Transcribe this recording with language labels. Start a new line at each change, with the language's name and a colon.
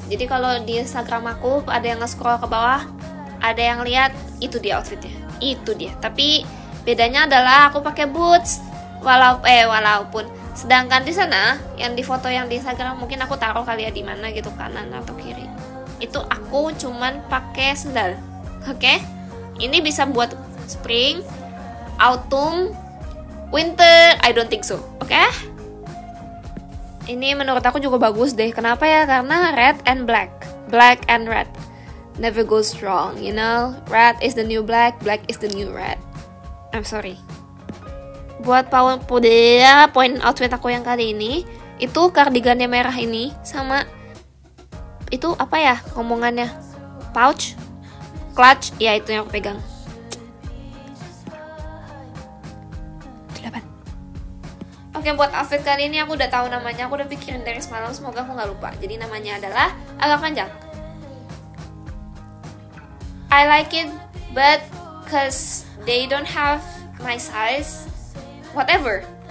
Indonesian: Jadi kalau di Instagram aku ada yang nge-scroll ke bawah, ada yang lihat itu dia outfitnya. Itu dia. Tapi bedanya adalah aku pakai boots. Walaupun sedangkan di sana yang di foto yang di Instagram mungkin aku taruh kali ya di mana gitu, kanan atau kiri. Itu aku cuman pakai sendal. Oke. Ini bisa buat
English: spring, autumn, winter, I don't think so.
Indonesian: Oke. Ini menurut aku juga bagus deh. Kenapa ya? Karena
English: red and black. Black and red never goes wrong, you know. Red is the new black, black is the new red. I'm sorry.
Indonesian: Buat point outfit aku yang kali ini, itu kardigannya merah ini sama itu apa ya ngomongannya? Pouch. Clutch, ya itu yang aku pegang. 8. Oke, buat outfit kali ini aku udah tahu namanya, aku udah pikirin dari semalam, semoga aku gak lupa. Jadi namanya adalah agak panjang.
English: I like it, but cause they don't have my size, whatever.